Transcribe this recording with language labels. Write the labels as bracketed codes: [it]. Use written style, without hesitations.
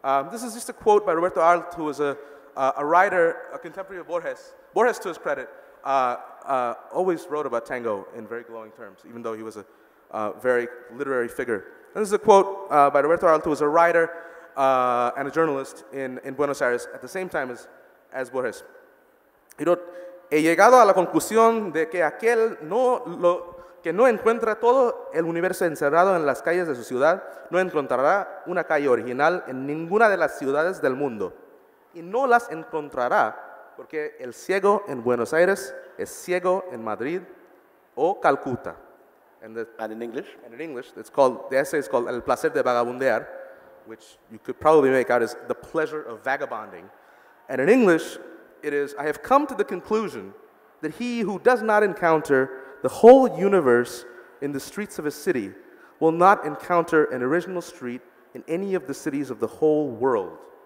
[en] This is just a quote by Roberto Arlt, who was a writer, a contemporary of Borges. Borges, to his credit, always wrote about tango in very glowing terms, even though he was a very literary figure. And this is a quote by Roberto Arlt, who was a writer and a journalist in Buenos Aires at the same time as Borges. He wrote, [es] "He llegado a la conclusión de que aquel no lo que no encuentra todo el universo encerrado en las calles de su ciudad no encontrará una calle original en ninguna de las ciudades del mundo. Y no las encontrará porque el ciego en Buenos Aires es ciego en Madrid o Calcuta." [en] And in English? And in English, it's called, the essay is called El placer de vagabundear, which you could probably make out as The Pleasure of Vagabonding. And in English, it is, "I have come to the conclusion that he who does not encounter the whole universe in the streets of a city will not encounter an original street in any of the cities of the whole world.